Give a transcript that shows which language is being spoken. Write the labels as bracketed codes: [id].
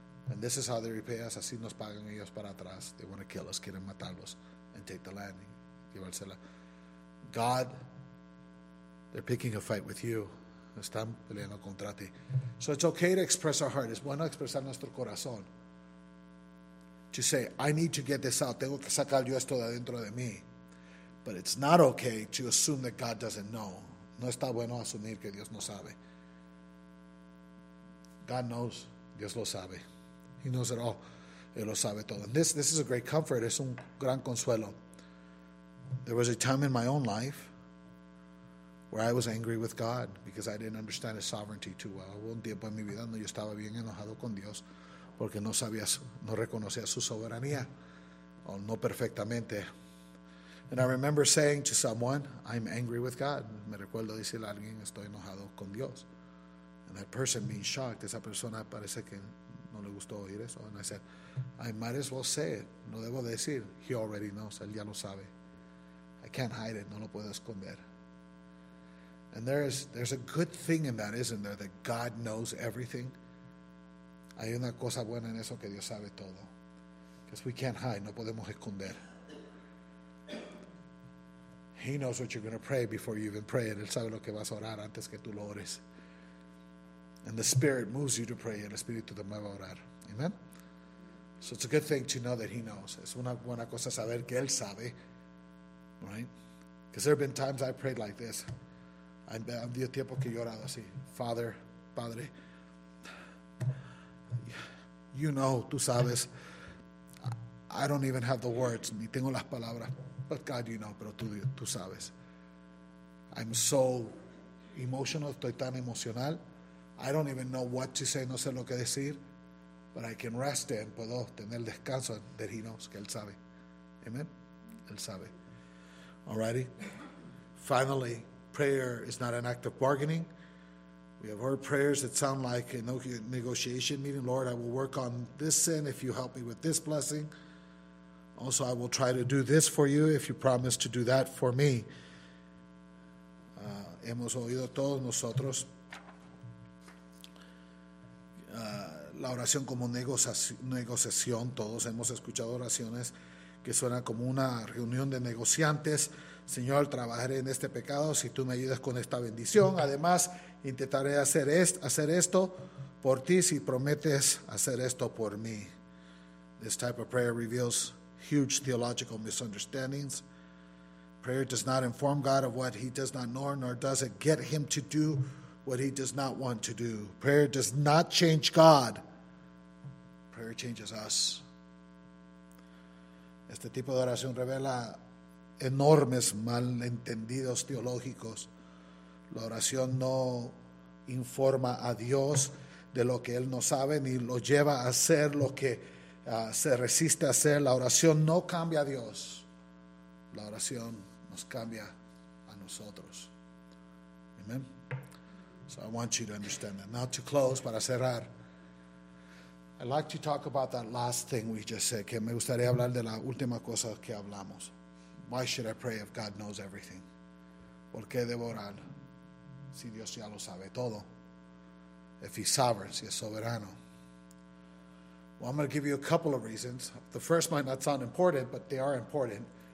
[en] And this is how they repay us. [es] Así nos pagan ellos para atrás. [en] They want to kill us. [es] Quieren matarlos. [en] And take the land. [es] Llevársela. [en] God, they're picking a fight with you. [es] Están peleando contra ti. [en] So it's okay to express our heart. [es] Es bueno expresar nuestro corazón. [en] To say, I need to get this out. [es] Tengo que sacar yo esto de adentro de mí. [en] But it's not okay to assume that God doesn't know. [es] No está bueno asumir que Dios no sabe. [en] God knows. [es] Dios lo sabe. [en] He knows it all. [es] Él lo sabe todo. [en] And this is a great comfort. [es] Es un gran consuelo. [en] There was a time in my own life where I was angry with God because I didn't understand His sovereignty too well. [es] Un tiempo en mi vida no, yo estaba bien enojado con Dios porque no sabía, no reconocía su soberanía, o no perfectamente. [en] And I remember saying to someone, I'm angry with God. [es] Me recuerdo decirle a alguien, estoy enojado con Dios. [en] And that person being shocked, [es] esa persona parece que no le gustó oír eso. [en] And I said, I might as well say it. [es] No debo decir. [en] He already knows. [es] Él ya lo sabe. [en] I can't hide it. [es] No lo puedo esconder. [en] And there's a good thing in that, isn't there? That God knows everything. [es] Hay una cosa buena en eso, que Dios sabe todo. [en] Because we can't hide. [es] No podemos esconder. [en] He knows what you're going to pray before you even pray. [es] Él sabe lo que vas a orar antes que tú lo ores. [en] And the Spirit moves you to pray. [es] El Espíritu te mueve a orar. [en] Amen? So it's a good thing to know that He knows. [es] Es una buena cosa saber que Él sabe. [en] Right? Because there have been times I prayed like this. [es] Había tiempo que llorado así. Father, Padre, you know, tú sabes, [en] I don't even have the words, [es] ni tengo las palabras, [en] but God, you know, [es] pero tú sabes. [en] I'm so emotional, [es] estoy tan emocional, [en] I don't even know what to say, [es] no sé lo que decir, [en] but I can rest in, [es] puedo tener descanso, [en] that he knows, [es] que él sabe. [en] Amen? [es] Él sabe. [en] Alrighty. Finally, prayer is not an act of bargaining. We have heard prayers that sound like a negotiation meeting. Lord, I will work on this sin if you help me with this blessing. Also, I will try to do this for you if you promise to do that for me. [es] Hemos oído todos nosotros la oración como negociación. Todos hemos escuchado oraciones que suenan como una reunión de negociantes. Señor, trabajaré en este pecado si tú me ayudas con esta bendición. Además, intentaré hacer esto por ti si prometes hacer esto por mí. [en] This type of prayer reveals huge theological misunderstandings. Prayer does not inform God of what he does not know, nor does it get him to do what he does not want to do. Prayer does not change God. Prayer changes us. [es] Este tipo de oración revela enormes malentendidos teológicos. La oración no informa a Dios de lo que él no sabe ni lo lleva a hacer lo que se resiste a hacer. La oración no cambia a Dios. La oración nos cambia a nosotros. Amen. [en] So I want you to understand that. Now to close, [es] para cerrar, [en] I'd like to talk about that last thing we just said, [es] que me gustaría hablar de la última cosa que hablamos. [en] Why should I pray if God knows everything? [es] ¿Por qué debo orar si Dios ya lo sabe todo? [en] If he's sovereign, [es] si es soberano. [en] Well, I'm going to give you a couple of reasons. The first might not sound important, but they are important.